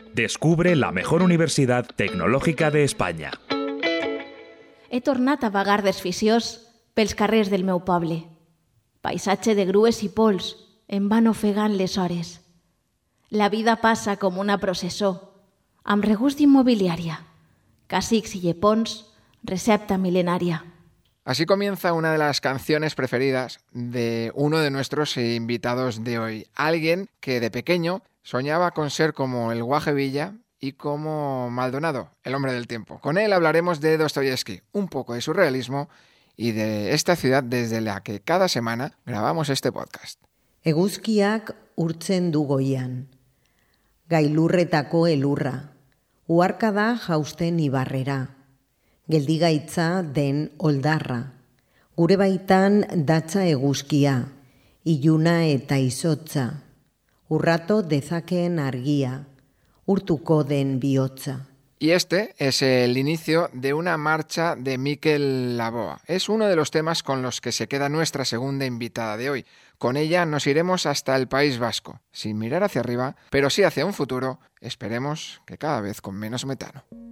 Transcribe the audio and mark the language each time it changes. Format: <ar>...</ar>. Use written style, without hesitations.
<es>Descubre la mejor universidad tecnológica de España.</es> <ca>He tornat a vagar desficiós pels carrers del meu poble. Paisatge de grues i pols em van ofegant les hores. La vida passa com una processó, amb regust d'immobiliària, cacics i llepons, recepta mil·lenària.</ca> <es>Así comienza una de las canciones preferidas de uno de nuestros invitados de hoy. Alguien que de pequeño soñaba con ser como el Guaje Villa y como Maldonado, el hombre del tiempo. Con él hablaremos de Dostoyevsky, un poco de surrealismo y de esta ciudad desde la que cada semana grabamos este podcast.</es> <eu>Eguzkiak urtzen du goian, gailurretako elurra, uharkada jausten ibarrera. Geldigaitza den oldarra, gure baitan datza eguzkia, iluna eta izotza, urrato dezakeen argia, urtuko den bihotza.</eu> <es>Y este es el inicio de una marcha de Mikel Laboa. Es uno de los temas con los que se queda nuestra segunda invitada de hoy. Con ella nos iremos hasta el País Vasco, sin mirar hacia arriba, pero sí hacia un futuro, esperemos que cada vez con menos metano.</es>